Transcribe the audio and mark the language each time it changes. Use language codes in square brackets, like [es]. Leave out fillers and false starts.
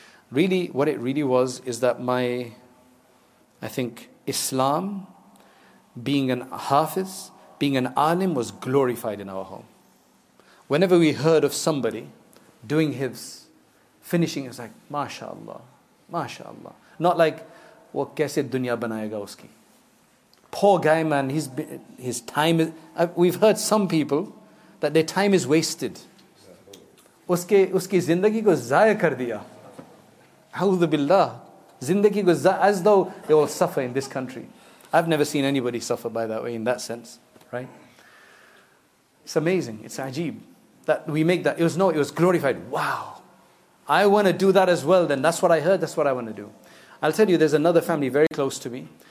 [en] Really, what it really was, is that my, I think, Islam, being an hafiz, being an alim was glorified in our home. Whenever we heard of somebody doing hifz, finishing, it's like, mashallah, mashallah. [ur] Not like, وہ کیسے دنیا بنائے گا اس کی؟ [en] Poor guy, man, his time is... We've heard some people that their time is wasted. [ur] اس کی زندگی کو ضائع کر دیا۔ [ar] A'udhu billah. [ur] Zindagi ko zaya, [en] as though they will suffer in this country. I've never seen anybody suffer by that way in that sense. Right? It's amazing. It's ajeeb that we make that. It was glorified. Wow. I want to do that as well. Then that's what I heard. That's what I want to do. I'll tell you, there's another family very close to me.